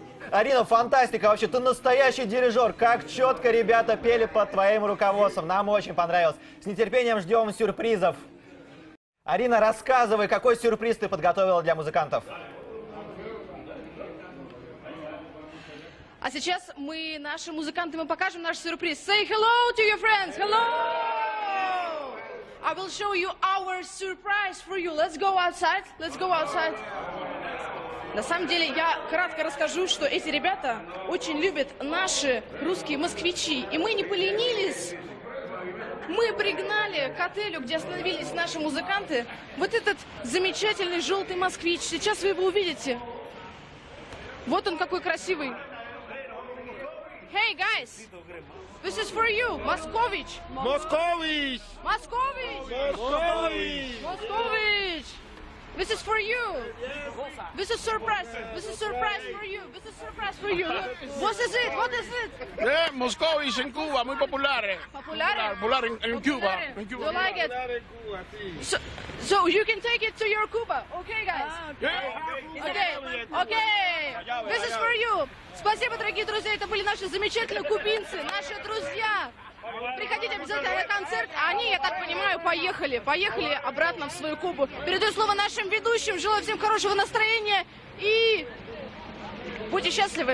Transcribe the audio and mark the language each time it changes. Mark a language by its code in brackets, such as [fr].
[ru] Арина, фантастика вообще, ты настоящий дирижер. Как четко ребята пели под твоим руководством. Нам очень понравилось. С нетерпением ждем сюрпризов. Арина, рассказывай, какой сюрприз ты подготовила для музыкантов? А сейчас мы нашим музыкантам покажем наш сюрприз. [en] Say hello to your friends. Hello! I will show you our surprise for you. Let's go outside. Let's go outside. На самом деле, я кратко расскажу, что эти ребята очень любят наши русские москвичи. И мы не поленились. Мы пригнали к отелю, где остановились наши музыканты, вот этот замечательный желтый москвич. Сейчас вы его увидите. Вот он какой красивый. Hey guys, this is for you, Moscovich. Moscovich. Moscovich. Moscovich. Moscovich. This is for you. This is surprise. This is surprise for you. This is surprise for you. What is it? What is it? Yeah, Moscovich in Cuba, [es] muy popular. [en] Popular. Popular in Cuba. You like it? So you can take it to your Cuba. Okay, guys. Okay. Okay. This is for you. [ru] Спасибо, дорогие друзья. Это были наши замечательные кубинцы, наши друзья. Приходите обязательно на концерт. А они, я так понимаю, поехали. Поехали обратно в свою Кубу. Передаю слово нашим ведущим. Желаю всем хорошего настроения. И будьте счастливы.